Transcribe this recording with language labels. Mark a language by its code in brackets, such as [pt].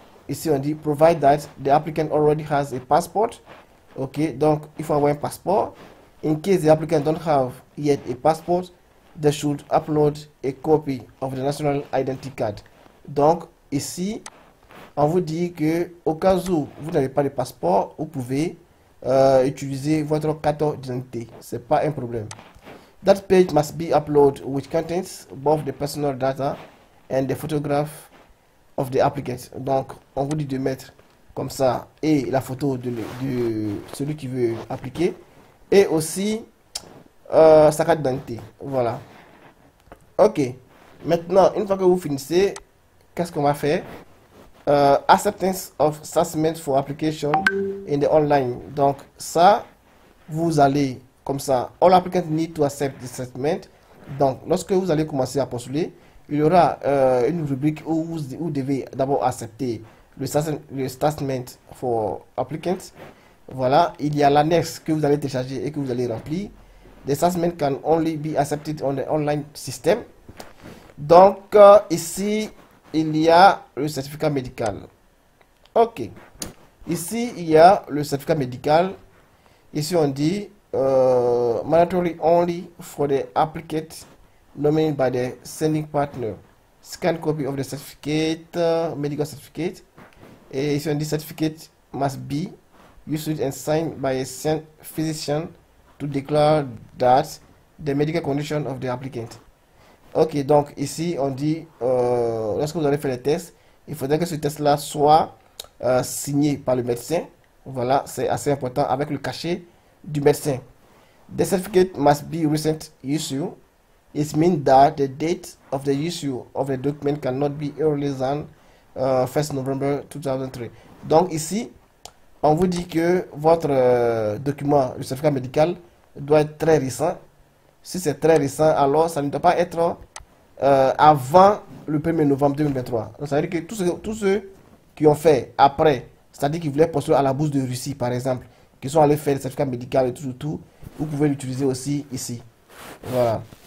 [fr] Ici on dit [en] provide that the applicant already has a passport. [fr] Ok, donc il faut avoir un passeport. [en] In case the applicant don't have yet a passport, they should upload a copy of the national identity card. [fr] Donc ici, on vous dit que au cas où vous n'avez pas de passeport, vous pouvez utiliser votre carte d'identité. Ce n'est pas un problème. [en] That page must be uploaded, which contains both the personal data and the photograph of the applicant. [fr] Donc, on vous dit de mettre comme ça et la photo de celui qui veut appliquer et aussi sa carte d'identité. Voilà. Ok. Maintenant, une fois que vous finissez, qu'est-ce qu'on va faire? [en] Acceptance of assessment for application in the online. [fr] Donc, ça, vous allez comme ça. [en] All applicants need to accept the assessment. [fr] Donc, lorsque vous allez commencer à postuler, il y aura une rubrique où vous devez d'abord accepter le [en] statement for applicants. [fr] Voilà, il y a l'annexe que vous allez télécharger et que vous allez remplir. [en] The statement can only be accepted on the online system. [fr] Donc, ici, il y a le certificat médical. Ok. Ici, il y a le certificat médical. Ici, on dit [en] mandatory only for the applicant nominated by the sending partner. Scan copy of the certificate, medical certificate. [fr] Et ici, on dit [en] certificate must be issued and signed by a sent physician to declare that the medical condition of the applicant. [fr] Ok, donc ici on dit lorsque vous allez faire le test, il faudrait que ce test-là soit signé par le médecin. Voilà, c'est assez important avec le cachet du médecin. [en] The certificate must be recent issue. It means that the date of the issue of the document cannot be earlier than 1 novembre 2003. [fr] Donc ici, on vous dit que votre document, le certificat médical, doit être très récent. Si c'est très récent, alors ça ne doit pas être avant le 1er novembre 2023. Donc, ça veut dire que tous ceux qui ont fait après, c'est-à-dire qui voulaient postuler à la bourse de Russie, par exemple, qui sont allés faire le certificat médical et tout, tout, vous pouvez l'utiliser aussi ici. Voilà.